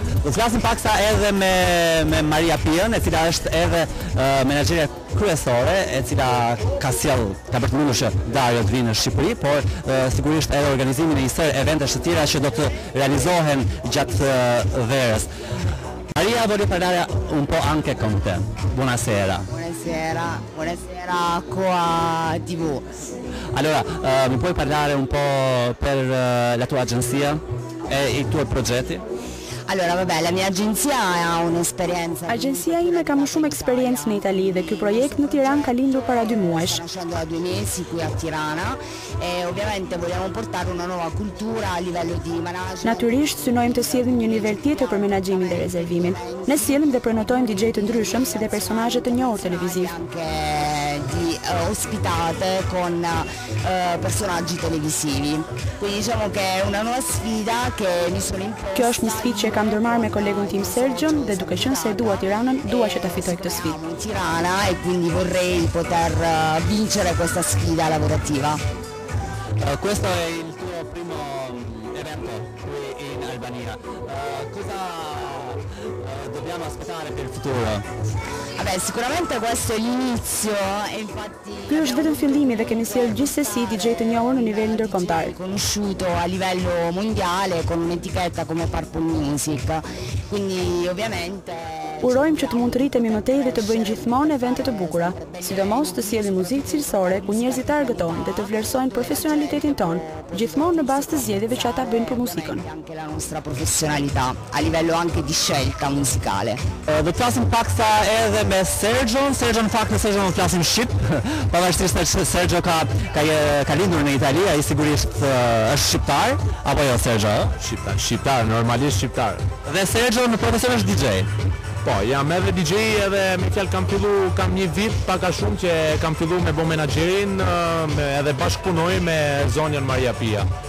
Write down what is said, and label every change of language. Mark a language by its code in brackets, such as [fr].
[sq] Flasim pak sa edhe me Maria Pien, e cila është edhe menaxhere kryesore, e cila ka sjell, ka bërë të mundur që Dario të vinë në Shqipëri, por sigurisht edhe organizimin e një sër eventesh të tjera që do të realizohen gjatë verës. [it] Maria, voglio parlare un po' anche con te. Buonasera. Buonasera. Buonasera qua TV. Allora, mi puoi parlare un po' per la tua agenzia e I tuoi progetti? Allora, vabbè, la mia agenzia ha un'esperienza. [sq] Agjencia ime ka më shumë eksperiencë në Itali dhe ky projekt në Tiranë ka lindur para 2 muajsh. [it] Nasciamo da 2 mesi qui a Tirana e ovviamente vogliamo portare una nuova cultura a livello di management. [sq] Natyrisht synojmë të sjellim një nivel tjetër për menaxhimin dhe rezervimin. Ne sjellim dhe prenotojmë DJ të ndryshëm si dhe personazhe të njohur televiziv. [it] Di ospitate con personaggi televisivi. Quindi diciamo che è una nuova sfida che mi sono imposta. [sq] Kjo është një sfidë që kam ndërmarrë me kolegun tim Sergio dhe duke qenë se dua Tiranën, dua që ta fitoj këtë sfidë. [it] Tirana e quindi vorrei poter vincere questa sfida lavorativa. Questo è il tuo primo evento qui in Albania. Cosa dobbiamo aspettare per il futuro? Vabbè, sicuramente questo è l'inizio, infatti. Qui ho vedo un fillimi perché mi sia il GSC DJ to New a livello intercontinentale. Conosciuto a livello mondiale con un'etichetta come Purple Music. Quindi ovviamente. [sq] Urojmë që të mund të rritemi më tej dhe të bëjmë gjithmonë evente të bukura, sidomos të sjellim muzikë cilësore ku njerëzit targetojnë dhe të vlerësojnë profesionalitetin ton, gjithmonë në bazë të zgjedhjeve që ata bëjnë për muzikën. [it] Anche la nostra professionalità a livello anche di scelta musicale. [sq] Do të flasim pak sa edhe me Sergio, Sergio në fakt Sergio do të flasim shqip, pavarësisht se Sergio ka lindur në Itali, ai sigurisht është shqiptar, apo jo Sergio? Shqiptar, normalisht shqiptar. Dhe Sergio në profesion është DJ. Po, jam edhe DJ edhe me fjalë kam fillu, kam një vit pak a shumë që kam fillu me bo menagerin edhe bashkëpunoj me zonjën Maria Pia.